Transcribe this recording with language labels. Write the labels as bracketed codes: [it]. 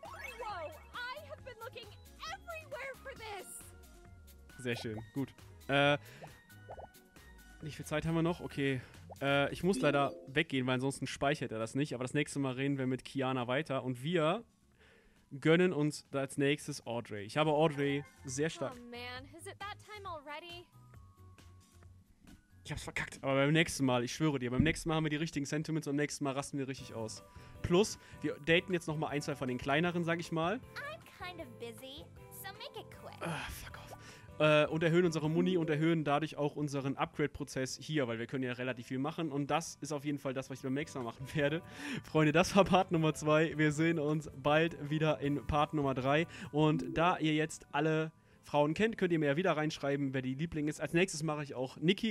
[en] Wow, I have been looking everywhere for this. [de] Sehr schön. Gut. Nicht viel Zeit haben wir noch? Okay. Ich muss leider weggehen, weil ansonsten speichert er das nicht. Aber das nächste Mal reden wir mit Kiana weiter. Und wir gönnen uns als nächstes Audrey. Ich habe Audrey sehr stark... [en] Oh man, is it that time already? [de] Ich hab's verkackt. Aber beim nächsten Mal, ich schwöre dir, beim nächsten Mal haben wir die richtigen Sentiments und beim nächsten Mal rasten wir richtig aus. Plus, wir daten jetzt nochmal ein, zwei von den kleineren, sag ich mal. [en] I'm kind of busy, so make it quick. Fuck off. [de] Und erhöhen unsere Muni und erhöhen dadurch auch unseren Upgrade-Prozess hier, weil wir können ja relativ viel machen. Und das ist auf jeden Fall das, was ich beim nächsten Mal machen werde. Freunde, das war Part Nummer 2. Wir sehen uns bald wieder in Part Nummer 3. Und da ihr jetzt alle Frauen kennt, könnt ihr mir ja wieder reinschreiben, wer die Liebling ist. Als nächstes mache ich auch Niki.